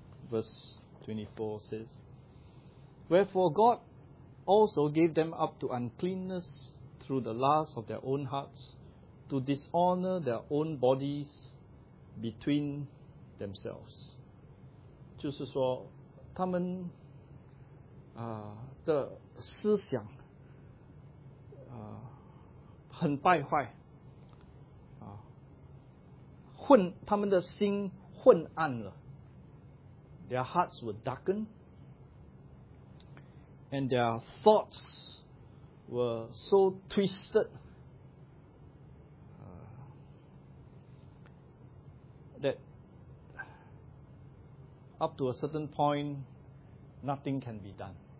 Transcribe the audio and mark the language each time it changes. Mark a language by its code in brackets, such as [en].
[en] Verse 24 says, Wherefore God also gave them up to uncleanness through the lust of their own hearts, to dishonor their own bodies between themselves. [zh] 就是说他们的思想很败坏他们的心昏暗了。 [en] Their hearts were darkened and their thoughts were so twisted that up to a certain point nothing can be done.